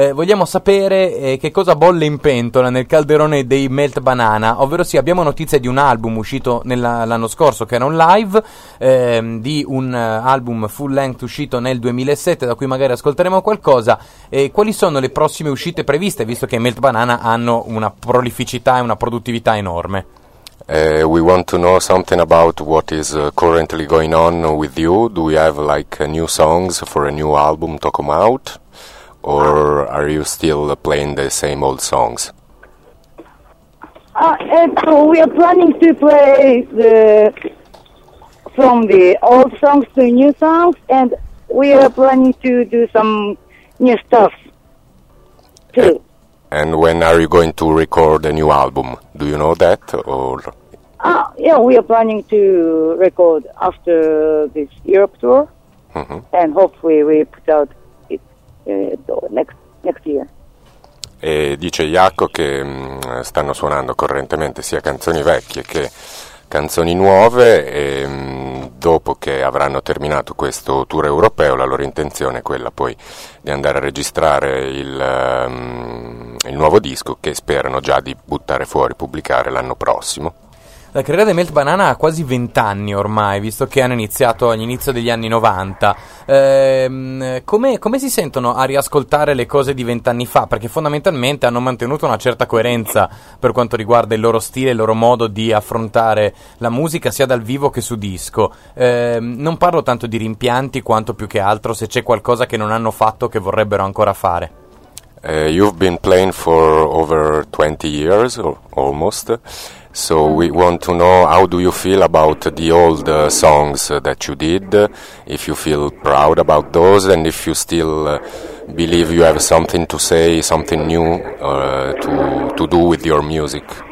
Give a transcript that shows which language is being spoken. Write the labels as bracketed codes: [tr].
[it] Vogliamo sapere che cosa bolle in pentola nel calderone dei Melt Banana, ovvero sì, abbiamo notizie di un album uscito l'anno scorso che era un live, di un album full length uscito nel 2007 da cui magari ascolteremo qualcosa. Quali sono le prossime uscite previste, visto che i Melt Banana hanno una prolificità e una produttività enorme? [en] We want to know something about what is currently going on with you. Do we have like new songs for a new album to come out, or are you still playing the same old songs? We are planning to play from the old songs to new songs, and we are planning to do some new stuff too. And when are you going to record a new album? Do you know that, or? Yeah, we are planning to record after this Europe tour, and hopefully we put out it next year. [it] E dice Jaco che stanno suonando correntemente sia canzoni vecchie che canzoni nuove, e dopo che avranno terminato questo tour europeo, la loro intenzione è quella poi di andare a registrare il nuovo disco, che sperano già di buttare fuori, pubblicare l'anno prossimo. La carriera di Melt Banana ha quasi 20 anni ormai, visto che hanno iniziato all'inizio degli anni 90. Come si sentono a riascoltare le cose di 20 anni fa? Perché fondamentalmente hanno mantenuto una certa coerenza per quanto riguarda il loro stile, il loro modo di affrontare la musica, sia dal vivo che su disco. Non parlo tanto di rimpianti, quanto più che altro se c'è qualcosa che non hanno fatto che vorrebbero ancora fare. [en] You've been playing for over 20 years, almost. So we want to know, how do you feel about the old songs that you did, if you feel proud about those, and if you still believe you have something to say, something new to do with your music?